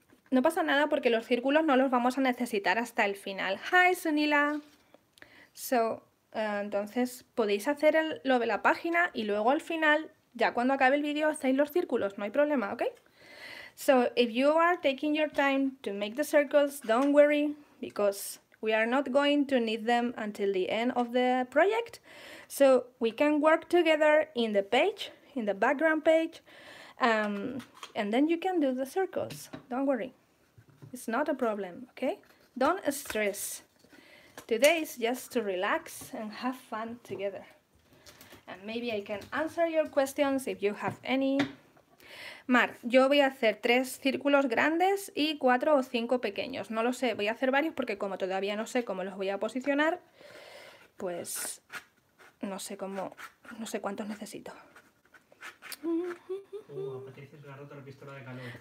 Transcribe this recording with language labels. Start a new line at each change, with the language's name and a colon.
Spanish: No pasa nada porque los círculos no los vamos a necesitar hasta el final.
English: Hi, Sunila.
Spanish: So, entonces podéis hacer lo de la página y luego al final, ya cuando acabe el vídeo, hacéis los círculos, no hay problema, ¿ok?
English: So, if you are taking your time to make the circles, don't worry, because we are not going to need them until the end of the project. So, we can work together in the page, in the background page. And then you can do the circles, don't worry, it's not a problem, okay? Don't stress, today is just to relax and have fun together. And maybe I can answer your questions if you have any.
Spanish: Mar, yo voy a hacer 3 círculos grandes y 4 o 5 pequeños, no lo sé, voy a hacer varios porque como todavía no sé cómo los voy a posicionar, pues no sé cómo, no sé cuántos necesito. Patricia se le ha roto la pistola de calor.